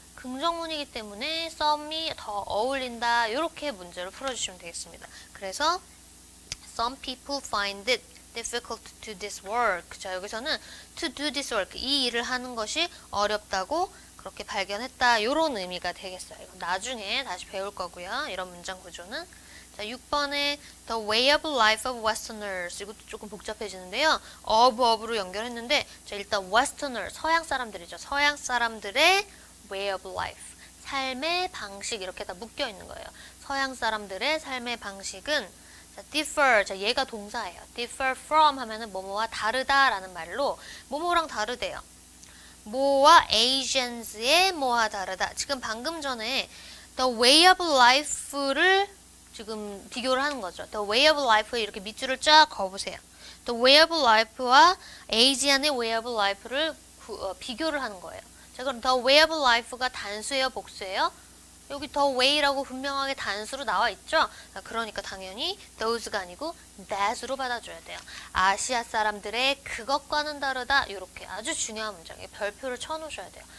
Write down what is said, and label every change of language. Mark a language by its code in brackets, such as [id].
[ko] 긍정문이기 때문에 썸이 더 어울린다. 이렇게 문제를 풀어주시면 되겠습니다. 그래서 [en] some people find it difficult to do this work. [ko] 자, 여기서는 [en] to do this work, [ko] 이 일을 하는 것이 어렵다고 그렇게 발견했다. 이런 의미가 되겠어요. 이건 나중에 다시 배울 거고요. 이런 문장 구조는. [en] 자, [ko] 6번에 [en] The Way of Life of Westerners. [ko] 이것도 조금 복잡해지는데요. of로 연결했는데, 자, 일단 Westerners, 서양 사람들이죠. 서양 사람들의 [en] way of life, [ko] 삶의 방식 이렇게 다 묶여 있는 거예요. 서양 사람들의 삶의 방식은 자, differ, 자, 얘가 동사예요. differ from 하면은 뭐뭐와 다르다라는 말로 뭐뭐랑 다르대요. 뭐와 Asians의 뭐와 다르다. 지금 방금 전에 [en] the way of life [ko] 를 지금 비교를 하는 거죠. [en] the way of life [ko] 이렇게 밑줄을 쫙 그어보세요. [en] the way of life [ko] 와 Asian의 way of life를 비교를 하는 거예요. 자, 그럼 the way of life가 단수예요, 복수예요? 여기 the way라고 분명하게 단수로 나와 있죠? 그러니까 당연히 those가 아니고 that로 받아줘야 돼요. 아시아 사람들의 그것과는 다르다. 이렇게 아주 중요한 문장에 별표를 쳐놓으셔야 돼요.